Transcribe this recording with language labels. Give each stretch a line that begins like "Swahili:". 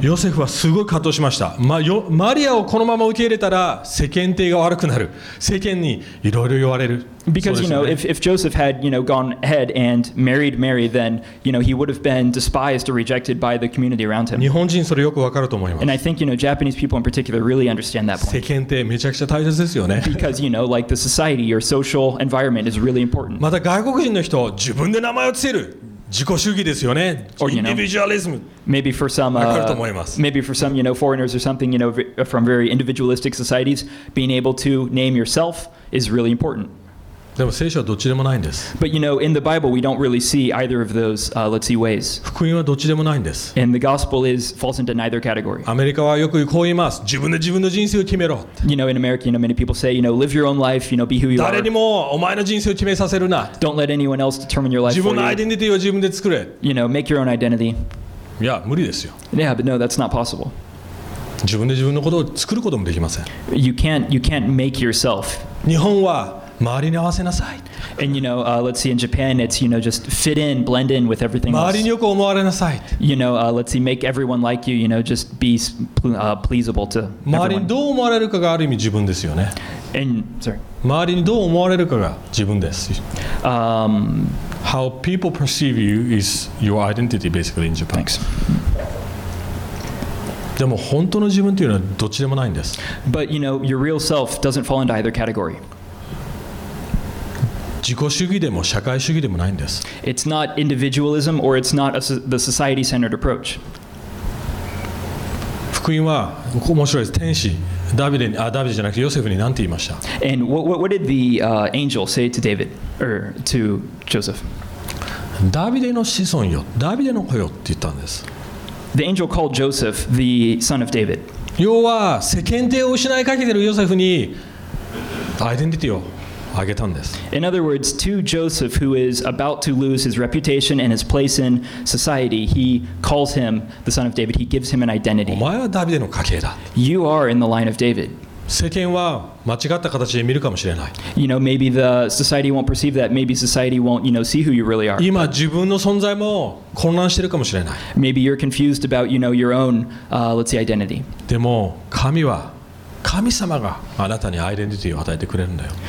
Japanese: ヨセフはすごい葛藤しました。マリアをこのまま受け入れたら世間体が悪くなる。世間にいろいろ言われる。
English: Because, you know, if Joseph had, you know, gone ahead and married Mary, then, you know, he would have been despised or rejected by the community around him.
Japanese: 日本人それよくわかると思います。
English: And I think, you know, Japanese people in particular really understand that point.
Japanese: 世間ってめちゃくちゃ大切ですよね。
English: Because, you know, like the society or social environment is really important.
Japanese: また外国人の人、自分で名前をつける。自己主義ですよね。
English: Or, you know, individualism. Maybe for some, you know, foreigners or something, you know, from very individualistic societies, being able to name yourself is really important.
Japanese: でも聖書はどっちでもないんです。
English: But you know, in the Bible, we don't really see either of those, let's see, ways.
Japanese: 福音はどっちでもないんです。
English: And the gospel is, falls into neither category.
Japanese: アメリカはよくこう言います。自分で自分の人生を決めろ。
English: You know, in America, you know, many people say, you know, live your own life, you know, be who you are.
Japanese: 誰にもお前の人生を決めさせるな。
English: Don't let anyone else determine your life for you.
Japanese: 自分のアイデンティティを自分で作れ。
English: You know, make your own identity.
Japanese: いや、無理ですよ。
English: Yeah, but no, that's not possible.
Japanese: 自分で自分のことを作ることもできません。
English: You can't make yourself.
Japanese: 日本は周りに合わせなさい。
English: And you know, let's see, in Japan, it's, you know, just fit in, blend in with everything else.
Japanese: 周りによく思われなさい。
English: You know, let's see, make everyone like you, you know, just be pleasable to everyone.
Japanese: 周りにどう思われるかがある意味自分ですよね。
English: And, sorry.
Japanese: 周りにどう思われるかが自分です。
English: How people perceive you is your identity, basically, in Japan. Thanks.
Japanese: でも本当の自分というのはどっちでもないんです。
English: But, you know, your real self doesn't fall into either category.
Japanese: 自己主義でも社会主義でもないんです。
English: It's not individualism or it's not the society-centered approach.
Japanese: 福音は面白いです。天使、ダビデに、あ、ダビデじゃなくてヨセフに何て言いました?
English: And what did the angel say to David, or to Joseph?
Japanese: ダビデの子孫よ、ダビデの子よって言ったんです。
English: The angel called Joseph the son of David.
Japanese: 要は世間体を失いかけてるヨセフにアイデンティティを。
English: In other words, to Joseph, who is about to lose his reputation and his place in society, he calls him the son of David. He gives him an identity.
Japanese: お前はダビデの家系だ。
English: You are in the line of David.
Japanese: 世間は間違った形で見るかもしれない。
English: You know, maybe the society won't perceive that. Maybe society won't, you know, see who you really are.
Japanese: 今自分の存在も混乱してるかもしれない。
English: Maybe you're confused about, you know, your own, let's see, identity.
Japanese: でも神は神様があなたにアイデンティティを与えてくれるんだよ。